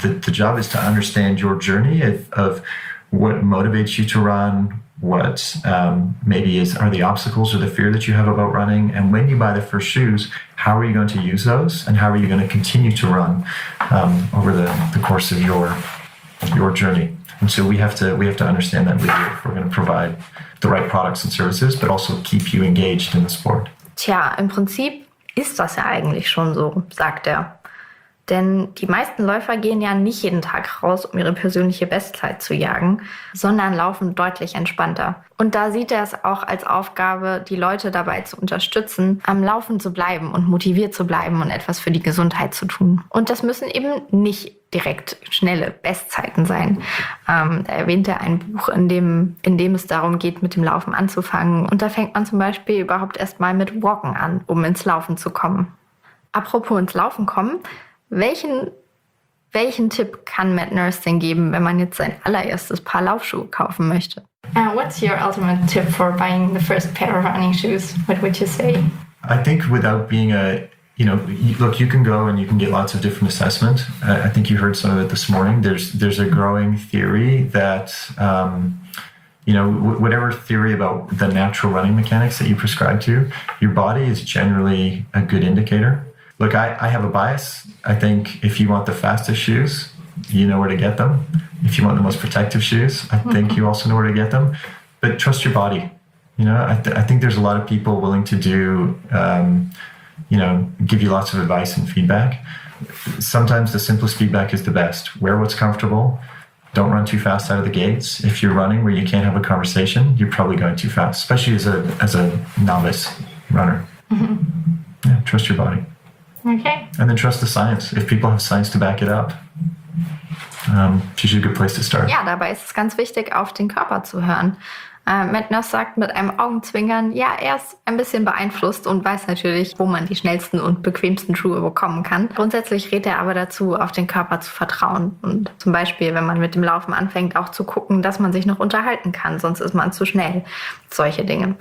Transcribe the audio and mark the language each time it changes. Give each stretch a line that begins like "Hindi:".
English: The job is to understand your journey of what motivates you to run, what are the obstacles or the fear that you have about running. And when you buy the first shoes, how are you going to use those and how are you going to continue to run over the course of your journey? And so we have to understand that with you if we're going to provide the right products and services, but also keep you engaged in the sport.
German: Tja, im Prinzip ist das ja eigentlich schon so, sagt er. Denn die meisten Läufer gehen ja nicht jeden Tag raus, um ihre persönliche Bestzeit zu jagen, sondern laufen deutlich entspannter. Und da sieht er es auch als Aufgabe, die Leute dabei zu unterstützen, am Laufen zu bleiben und motiviert zu bleiben und etwas für die Gesundheit zu tun. Und das müssen eben nicht direkt schnelle Bestzeiten sein. Da erwähnt er ein Buch, in dem es darum geht, mit dem Laufen anzufangen. Und da fängt man zum Beispiel überhaupt erst mal mit Walken an, um ins Laufen zu kommen. Apropos ins Laufen kommen, welchen Tipp kann Matt Nurse denn geben, wenn man jetzt sein allererstes Paar Laufschuhe kaufen möchte?
English: What's your ultimate tip for buying the first pair of running shoes? What would you say? I think without being you can go and you can get lots of different assessment. I think you heard some of it this morning. There's a growing theory that you know, whatever theory about the natural running mechanics that you prescribe to, your body is generally a good indicator. Look, I have a bias. I think if you want the fastest shoes, you know where to get them. If you want the most protective shoes, I think you also know where to get them. But trust your body. You know, I think there's a lot of people willing to do, you know, give you lots of advice and feedback. Sometimes the simplest feedback is the best. Wear what's comfortable. Don't run too fast out of the gates. If you're running where you can't have a conversation, you're probably going too fast, especially as a novice runner. Mm-hmm. Yeah, trust your body. Okay. And then trust the science. If people have science to back it up, it's usually a good place to start.
German: Ja, dabei ist es ganz wichtig, auf den Körper zu hören. Matt Noss sagt mit einem Augenzwinkern, ja, er ist ein bisschen beeinflusst und weiß natürlich, wo man die schnellsten und bequemsten Schuhe bekommen kann. Grundsätzlich rät er aber dazu, auf den Körper zu vertrauen und zum Beispiel, wenn man mit dem Laufen anfängt, auch zu gucken, dass man sich noch unterhalten kann, sonst ist man zu schnell. Solche Dinge.